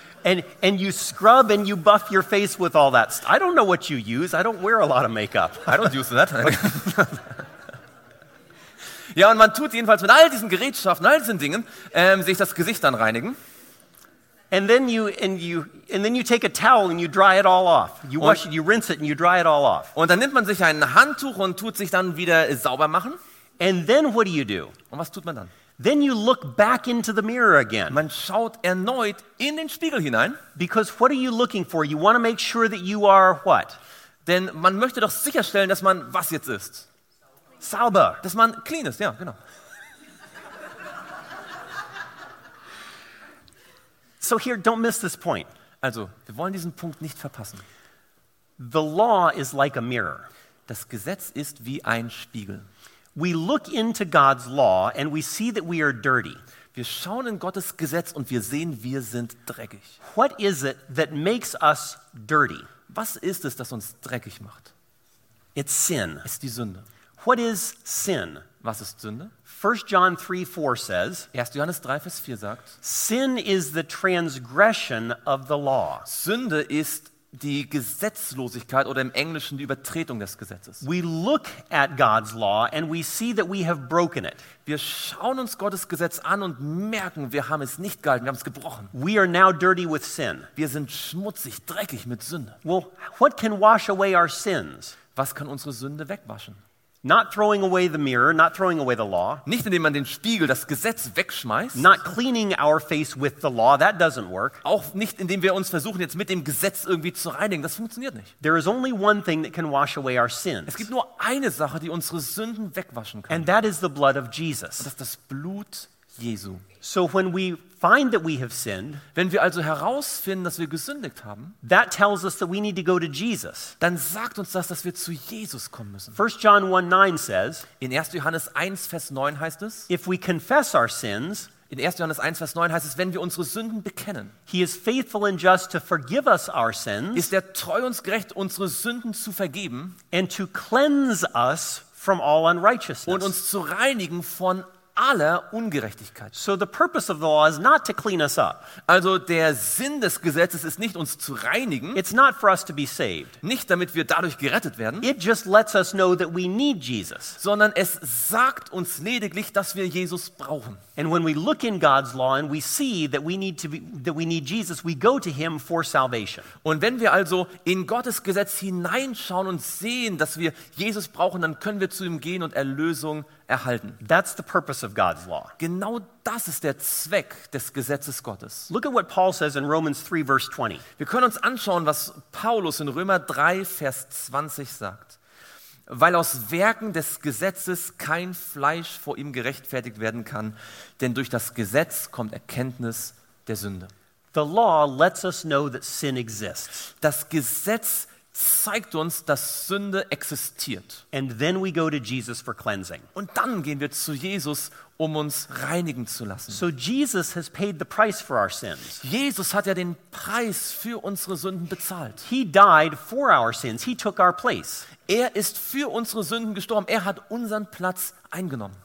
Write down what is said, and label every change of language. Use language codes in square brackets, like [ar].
[en] And you scrub and you buff your face with all that. I don't know what you use. I don't wear a lot of makeup. I don't use that. [de] Ja, und man tut jedenfalls mit all diesen Gerätschaften, all diesen Dingen, sich das Gesicht dann reinigen. [en] And then you take a towel and you dry it all off. You wash it, you rinse it and you dry it all off. [de] Und dann nimmt man sich ein Handtuch und tut sich dann wieder sauber machen. [en] And then what do you do? [de] Und was tut man dann? [en] Then you look back into the mirror again. [de] Man schaut erneut in den Spiegel hinein. [en] Because what are you looking for? You want to make sure that you are what? [de] Denn man möchte doch sicherstellen, dass man was jetzt ist. Sauber. Dass man clean ist, ja, genau. [en] So here, don't miss this point. [de] Also, wir wollen diesen Punkt nicht verpassen. [en] The law is like a mirror. [de] Das Gesetz ist wie ein Spiegel. [en] We look into God's law and we see that we are dirty. [de] Wir schauen in Gottes Gesetz und wir sehen, wir sind dreckig. [en] What is it that makes us dirty? [de] Was ist es, das uns dreckig macht? [en] It's sin. [de] Es ist die Sünde. [en] What is sin? [de] Was ist Sünde? [en] 1 John 3:4 says. [de] 1. Johannes 3, Vers 4 sagt. [en] Sin is the transgression of the law. [de] Sünde ist die Gesetzlosigkeit oder im Englischen die Übertretung des Gesetzes. [en] We look at God's law and we see that we have broken it. [de] Wir schauen uns Gottes Gesetz an und merken, wir haben es nicht gehalten, wir haben es gebrochen. [en] We are now dirty with sin. [de] Wir sind schmutzig, dreckig mit Sünde. [en] Well, what can wash away our sins? [de] Was kann unsere Sünde wegwaschen? [en] Not throwing away the mirror, not throwing away the law. [de] Nicht indem man den Spiegel, das Gesetz wegschmeißt. [en] Not cleaning our face with the law, that doesn't work. [de] Auch nicht indem wir uns versuchen jetzt mit dem Gesetz irgendwie zu reinigen, das funktioniert nicht. [en] There is only one thing that can wash away our sins. [de] Es gibt nur eine Sache, die unsere Sünden wegwaschen kann. [en] And that is the blood of Jesus. [de] Und das ist das Blut Jesu. [en] So when we find that we have sinned, [de] wenn wir also herausfinden, dass wir gesündigt haben, [en] that tells us that we need to go to Jesus. [de] Dann sagt uns das, dass wir zu Jesus kommen müssen. [en] 1 John 1:9 says, [de] in 1. Johannes 1 Vers 9 heißt es, [en] if we confess our sins, [de] in 1. Johannes 1 Vers 9 heißt es, wenn wir unsere Sünden bekennen, [en] he is faithful and just to forgive us our sins, [de] ist er treu und gerecht, unsere Sünden zu vergeben, [en] and to cleanse us from all unrighteousness, [de] und uns zu reinigen von alle Ungerechtigkeit. [en] So the purpose of the law is not to clean us up. [de] Also der Sinn des Gesetzes ist nicht uns zu reinigen. [en] It's not for us to be saved. [de] Nicht damit wir dadurch gerettet werden. [en] It just lets us know that we need Jesus. [de] Sondern es sagt uns lediglich, dass wir Jesus brauchen. [en] And when we look in God's law and we see that we need to be, that we need Jesus, we go to him for salvation. [de] Und wenn wir also in Gottes Gesetz hineinschauen und sehen, dass wir Jesus brauchen, dann können wir zu ihm gehen und Erlösung erhalten. [en] That's the purpose of God's law. [de] Genau das ist der Zweck des Gesetzes Gottes. [en] Look at what Paul says in Romans 3 verse 20. [de] Wir können uns anschauen, was Paulus in Römer 3 Vers 20 sagt. Weil aus Werken des Gesetzes kein Fleisch vor ihm gerechtfertigt werden kann, denn durch das Gesetz kommt Erkenntnis der Sünde. [en] The law lets us know that sin exists. [de] Das Gesetz zeigt uns, dass Sünde existiert. [en] And then we go to Jesus for cleansing. [de] Und dann gehen wir zu Jesus, um uns reinigen zu lassen. [en] So Jesus has paid the price for our sins. [de] Jesus hat ja den Preis für unsere Sünden bezahlt. [en] He died for our sins. He took our place. [de] Er ist für unsere Sünden gestorben. Er hat unseren Platz eingenommen.